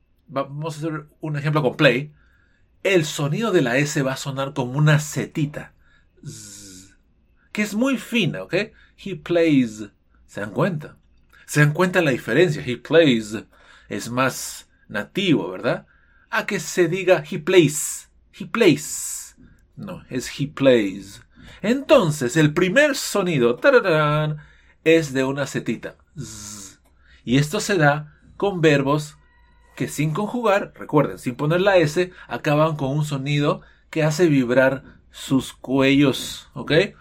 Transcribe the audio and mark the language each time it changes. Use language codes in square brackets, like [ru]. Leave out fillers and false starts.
[es] Vamos a hacer un ejemplo con play. El sonido de la S va a sonar como una zetita. Zzz, que es muy fina, ¿ok? [en] He plays. [es] ¿Se dan cuenta? ¿Se dan cuenta la diferencia? [en] He plays [es] es más nativo, ¿verdad? A que se diga [en] he plays. He plays. [es] No, es [en] he plays. [es] Entonces, el primer sonido tararán, es de una setita. Z. Y esto se da con verbos que sin conjugar, recuerden, sin poner la S, acaban con un sonido que hace vibrar sus cuellos, ¿ok?